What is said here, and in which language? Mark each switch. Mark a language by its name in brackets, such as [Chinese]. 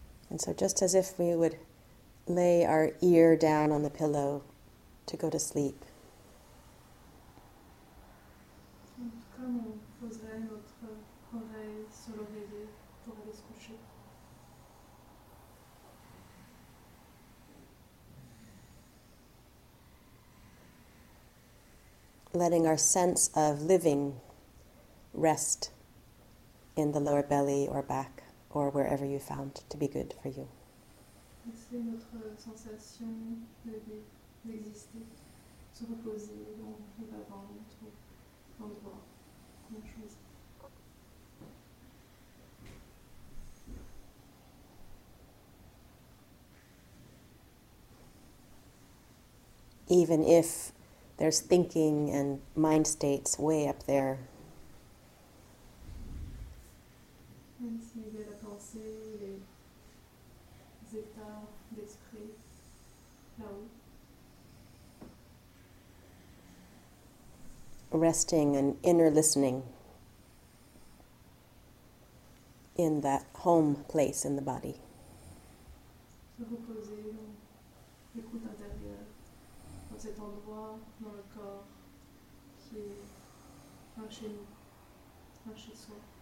[English] And so just as if we would lay our ear down on the pillow to go to sleep. [French] Comme on poserait notre oreille sur l'oreiller pour aller se coucher. [English] Letting our sense of living rest in the lower belly or back. Or wherever you found to be good for you. [French] Laissez notre sensation de vivre, d'exister, se reposer dans votre ventre ou endroit qu'on choisit. [English] Even if there's thinking and mind states way up there. [French] Même s'il y a la pensée, les états d'esprit là-haut. [English] Resting and inner listening in that home place in the body. [French] Se reposer dans l'écoute intérieure, dans cet endroit, dans le corps, qui est un chez nous, un chez soi.